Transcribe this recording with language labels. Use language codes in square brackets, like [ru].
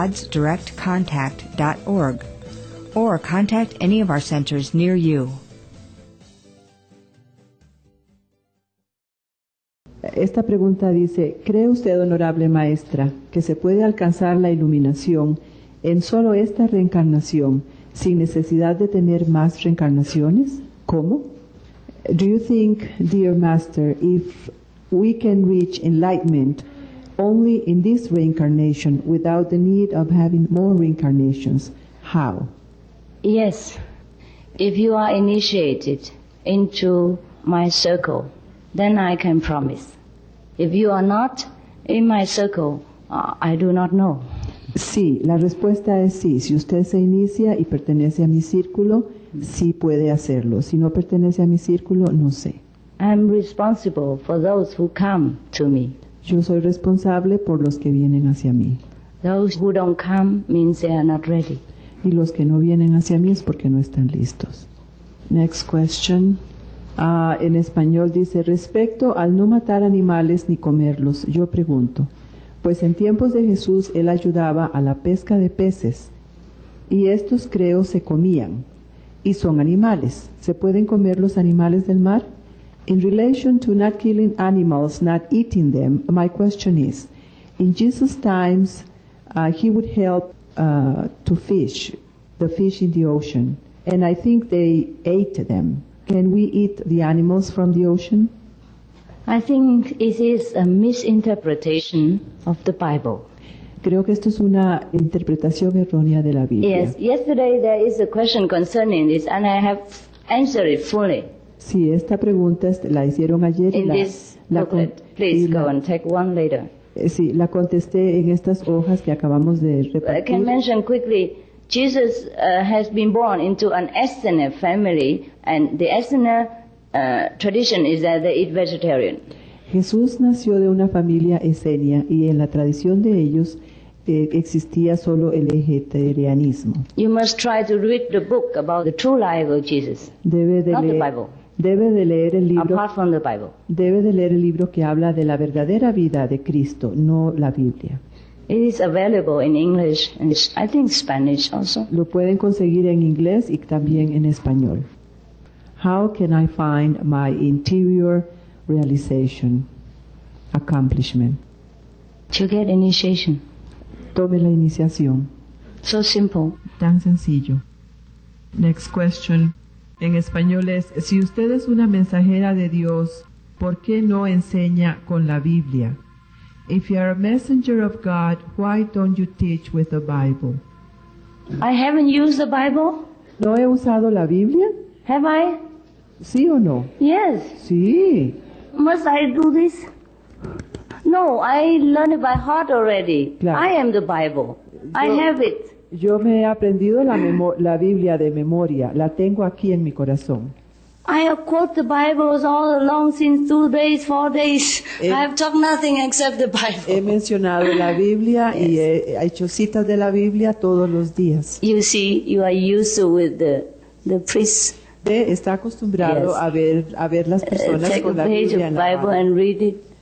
[en] www.godsdirectcontact.org or contact any of our centers near you. [es] Esta pregunta dice, ¿cree usted, honorable maestra, que se puede alcanzar la iluminación en solo esta reencarnación sin necesidad de tener más reencarnaciones? ¿Cómo? [en] Do you think, dear master, if we can reach enlightenment only in this reincarnation without the need of having more reincarnations? How? Yes. If you are initiated into my circle, then I can promise. If you are not in my circle, I do not know. [es] Sí, la respuesta es sí. Si usted se inicia y pertenece a mi círculo, sí puede hacerlo. Si no pertenece a mi círculo, no sé. [en] I'm responsible for those who come to me. [es] Yo soy responsable por los que vienen hacia mí. [en] Those who don't come means they are not ready. [es] Y los que no vienen hacia mí es porque no están listos. [en] Next question. [es] En español dice, respecto al no matar animales ni comerlos, yo pregunto, pues en tiempos de Jesús él ayudaba a la pesca de peces y estos creo se comían y son animales, ¿se pueden comer los animales del mar? [en] In relation to not killing animals, not eating them, my question is, in Jesus' times he would help to fish, the fish in the ocean, and I think they ate them. Can we eat the animals from the ocean? I think it is a misinterpretation of the Bible. [es] Creo que esto es una interpretación errónea de la Biblia. [en] Yes, yesterday there is a question concerning this and I have answered it fully. [es] Sí, esta pregunta la hicieron ayer. [en] In this booklet, please go and take one later. [es] Sí, la contesté en estas hojas que acabamos de repartir. [en] I can mention quickly, Jesus has been born into an Essene family, and the Essene tradition is that they eat vegetarian. [es] Jesús nació de una familia esenia, y en la tradición de ellos existía solo el vegetarianismo. [en] You must try to read the book about the true life of Jesus, not the Bible. [es] Debe de leer el libro. [en] Apart from the Bible. [es] Debe de leer el libro que habla de la verdadera vida de Cristo, no la Biblia. [en] It is available in English and I think Spanish also. [es] Lo pueden conseguir en inglés y también en español. [en] How can I find my interior realization, accomplishment? To get initiation. [es] Tome la iniciación. [en] So simple. [es] Tan sencillo. [en] Next question. [es] En español es, si usted es una mensajera de Dios, ¿por qué no enseña con la Biblia? [en] If you are a messenger of God, why don't you teach with the Bible? I haven't used the Bible. [es] ¿No he usado la Biblia? [en] Have I? [es] ¿Sí o no? [en] Yes. [es] Sí. [en] Must I do this? No, I learned it by heart already. [es] Claro. [en] I am the Bible. I have it. [es] Yo me he aprendido la Biblia de memoria. La tengo aquí en mi corazón. [en] I have quoted the Bible all along since 2 days, 4 days. I have talked nothing except the Bible. [es] He mencionado la Biblia [en] yes. [es] Y he hecho citas de la Biblia todos los días. [en] You see, you are used to with the priest. [es] Está acostumbrado [en] yes. [es] a ver las personas con la Biblia. [en] Take a page of Bible and read it.